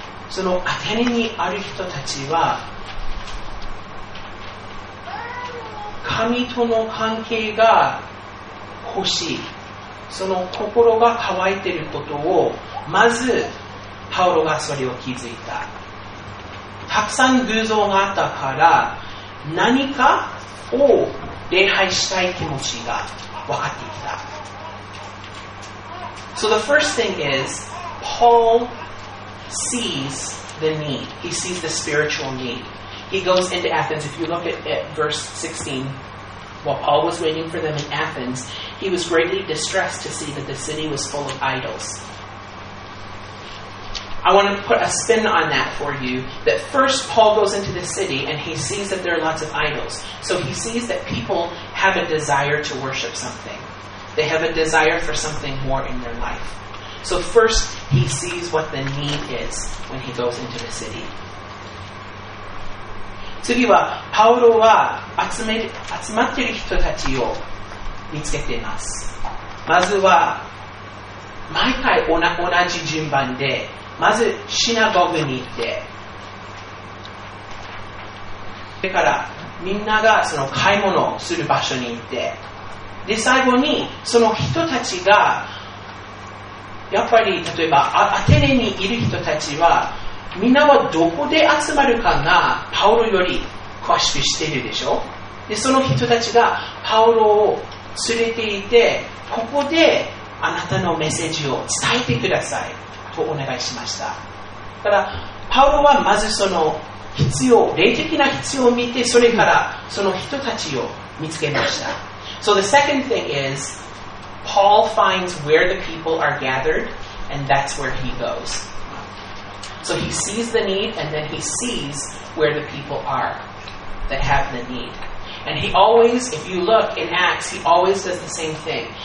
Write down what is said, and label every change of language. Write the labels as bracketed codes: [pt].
[ja] そのアテネにある人たちは神との関係が欲しい、その心が渇いていることをまずパウロがそれを気づいた。たくさん偶像があったから何かを礼拝したい気持ちが分かってきた。 [en] So the first thing is Paulsees the need. He sees the spiritual need. He goes into Athens. If you look at verse 16, while Paul was waiting for them in Athens, he was greatly distressed to see that the city was full of idols. I want to put a spin on that for you, that first Paul goes into the city and he sees that there are lots of idols. So he sees that people have a desire to worship something. They have a desire for something more in their life. So first,He sees what the need is when he goes into the city. [ja] 次は、パウロは集まっている人たちを見つけています。まずは、毎回同じ順番で、まずシナゴグに行って、ってからみんながその買い物をする場所に行って、で最後にその人たちがやっぱり例えばアテネにいる人たちはみんなはどこで集まるかがパウロより詳しく知っているでしょ。でその人たちがパウロを連れていて、ここであなたのメッセージを伝えてくださいとお願いしました。だからパウロはまずその必要、霊的な必要を見て、それからその人たちを見つけました。 [en] So the second thing is Paul finds where the people are gathered and that's where he goes. So he sees the need and then he sees where the people are that have the need. And he always, if you look in Acts, he always does the same thing.